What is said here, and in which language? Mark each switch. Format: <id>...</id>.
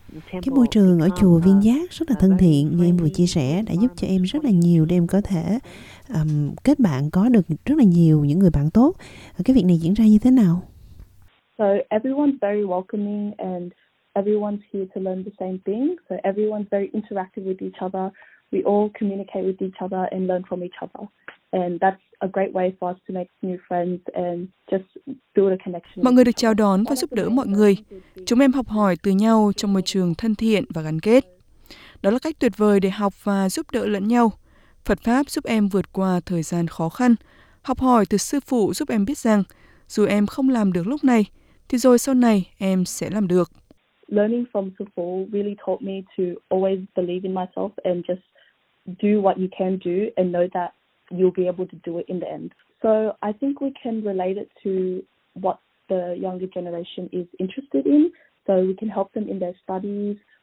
<vi>Cái môi trường ở chùa Viên Giác rất là thân thiện như em vừa chia sẻ đã giúp cho em rất là nhiều để em có thể kết bạn có được rất là nhiều những người bạn tốt. Cái việc này diễn ra như thế nào?</vi> <en>So everyone's very welcoming and everyone's here to learn the same thing. So everyone's very interactive with each other. we all communicate with each other and learn from each other. And that's a great way for us to make new friends and just build a connection.</en> <vi>Mọi người được chào đón và giúp đỡ mọi người. Chúng em học hỏi từ nhau trong môi trường thân thiện và gắn kết. Đó là cách tuyệt vời để học và giúp đỡ lẫn nhau. Phật Pháp giúp em vượt qua thời gian khó khăn. Học hỏi từ sư phụ giúp em biết rằng, dù em không làm được lúc này, thì rồi sau này em sẽ làm được.</vi> <en>Learning from sư phụ really taught me to always believe in myself and just do what you can do and know that you'll be able to do it in the end. So I think we can relate it to what the younger generation is interested in. So we can help them in their studies.</en>